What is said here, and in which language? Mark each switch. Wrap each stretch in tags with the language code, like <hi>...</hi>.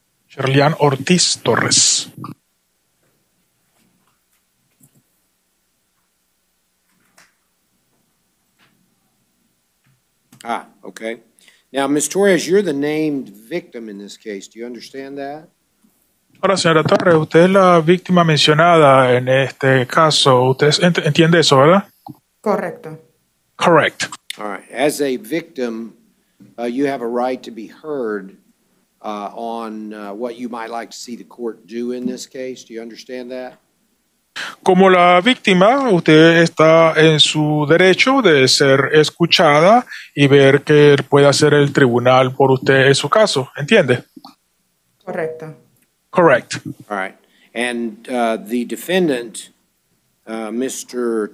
<en>Sherlian Ortiz Torres. Ah, okay. Now, Ms. Torres, you're the named victim in this case. Do you understand that?</en> <es>Hola, señora Torres. Usted es la víctima mencionada en este caso. Usted entiende eso, ¿verdad? Correcto.</es> <en>Correct. All right. As a victim, you have a right to be heard on what you might like to see the court do in this case. Do you understand that?</en> <es>Como la víctima, usted está en su derecho de ser escuchada y ver qué puede hacer el tribunal por usted en su caso. ¿Entiende? Correcto.</es> <en>Correct. All right. And the defendant, Mr.</en>